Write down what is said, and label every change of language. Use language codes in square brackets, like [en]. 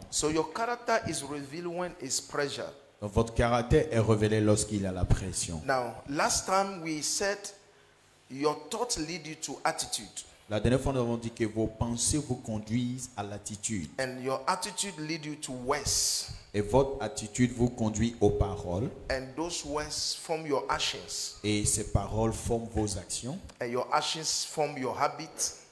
[en] So your character is revealed when it's pressure. [fr] Donc, votre caractère est révélé lorsqu'il a la pression. [en] Now, last time we said your thoughts lead you to attitude. [fr] La dernière fois, nous avons dit que vos pensées vous conduisent à l'attitude. [en] And your attitude lead you to words. [fr] Et votre attitude vous conduit aux paroles. [en] And those words form your actions. [fr] Et ces paroles forment vos actions. [en] And your actions form your habits.